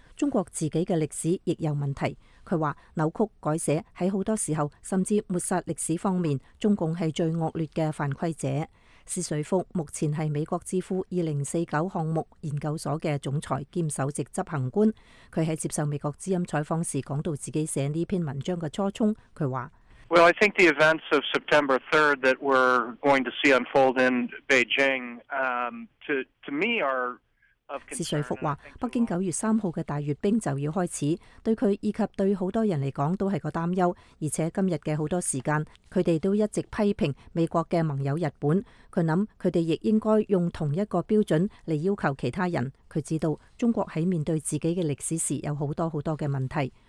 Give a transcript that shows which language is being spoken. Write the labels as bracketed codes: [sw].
[zh] 中国自己的历史亦有问题。他说扭曲改写在很多时候甚至抹杀历史方面，中共是最恶劣的犯规者。施瑞福目前是美国智库2049项目研究所的总裁兼首席执行官。他在接受美国之音采访时讲到自己写这篇文章的初衷。他说 [en] Well, I think the events of September 3rd that we're going to see unfold in Beijing, to me are of concern. 施瑞 [zh] 福说北京9月3号的大阅兵就要开始，对他以及对很多人来讲都是个担忧，而且今天的很多时间他们都一直批评美国的盟友日本，他想他们也应该用同一个标准来要求其他人。他知道中国在面对自己的历史时有很多很多的问题。